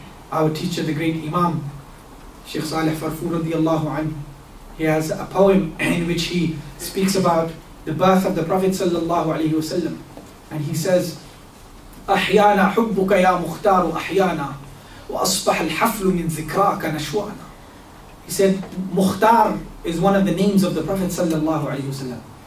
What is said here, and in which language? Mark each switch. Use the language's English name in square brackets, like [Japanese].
[English] Our teacher, the great Imam, Shaykh Saleh Farfur radiallahu anhu, he has a poem in which he speaks about the birth of the Prophet sallallahu alayhi wasallam. And he says, [Arabic] أحيانا حبك يا مختار أحيانا وأصبح الحفل من ذكراك نشوانا. [English] He said, Mukhtar is one of the names of the Prophet sallallahu alayhi wasallam.